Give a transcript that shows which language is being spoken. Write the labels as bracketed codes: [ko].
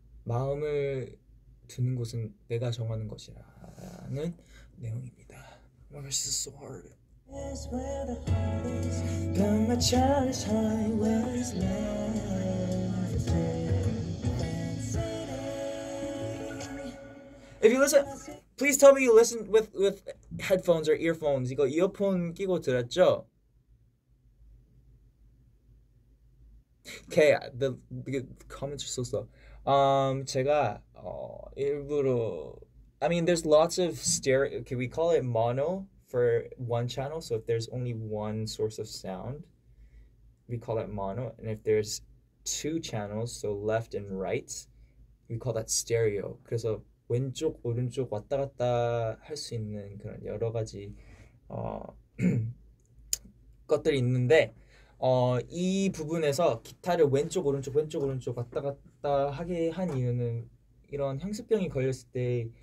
[ko] 마음을 두는 곳은 내가 정하는 것이라. 는 내용입니다. [en] Oh, this is so hard. It's where the heart is, but my childish heart was left in. If you listen, please tell me you listen with headphones or earphones. [ko] 이거 이어폰 끼고 들었죠? [en] Okay, the comments are so slow. [ko] 제가 일부러 [en] I mean, there's lots of stereo. Okay, we call it mono for one channel. So if there's only one source of sound, we call that mono. And if there's two channels, so left and right, we call that stereo. [ko] 그래서 왼쪽 오른쪽 왔다 갔다 할 수 있는 그런 여러 가지 것들이 있는데 이 부분에서 기타를 왼쪽 오른쪽 왼쪽 오른쪽 왔다 갔다 하게 한 이유는 이런 향수병이 걸렸을 때.